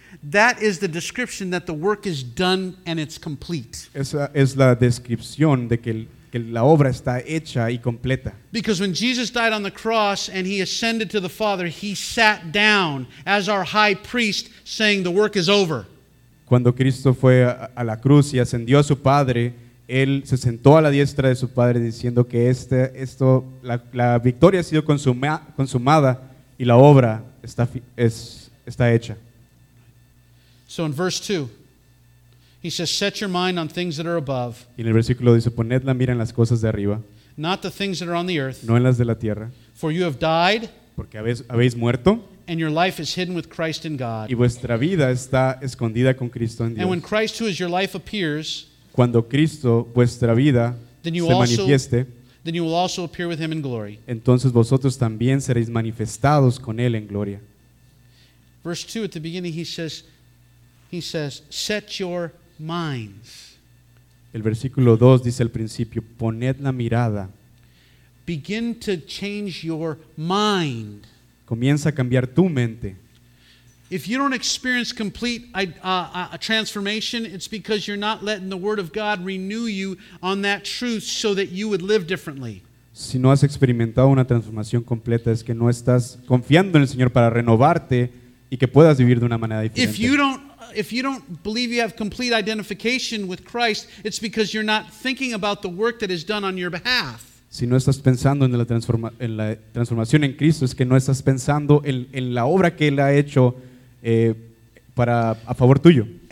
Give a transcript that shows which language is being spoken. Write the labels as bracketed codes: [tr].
[en] That is the description that the work is done and it's complete. [es] Esa es la descripción de que la obra está hecha y completa. [en] Because when Jesus died on the cross and he ascended to the Father, he sat down as our high priest saying the work is over. [es] Cuando Cristo fue a la cruz y ascendió a su Padre, él se sentó a la diestra de su Padre diciendo que la victoria ha sido consumada y la obra está hecha. [en] So in verse 2, he says, set your mind on things that are above. [es] Y en el versículo dice, poned la mira en las cosas de arriba. [en] Not the things that are on the earth. [es] No en las de la tierra. [en] For you have died. [es] Porque habéis muerto. [en] And your life is hidden with Christ in God. [es] Y vuestra vida está escondida con Cristo en Dios. [en] And when Christ, who is your life, appears, [es] cuando Cristo, vuestra vida, manifieste, [en] then you will also appear with him in glory. [es] Entonces vosotros también seréis manifestados con él en gloria. [en] Verse 2, at the beginning, he says, set your minds. [es] El versículo 2 dice al principio, poned la mirada. [en] Begin to change your mind. [es] Comienza a cambiar tu mente. [en] If you don't experience complete a transformation, it's because you're not letting the Word of God renew you on that truth so that you would live differently. [es] Si no has experimentado una transformación completa, es que no estás confiando en el Señor para renovarte y que puedas vivir de una manera diferente. [en] If you don't believe you have complete identification with Christ, it's because you're not thinking about the work that is done on your behalf. [es] Si no estás pensando en la transformación en Cristo, es que no estás pensando en la obra que Él ha hecho a favor tuyo.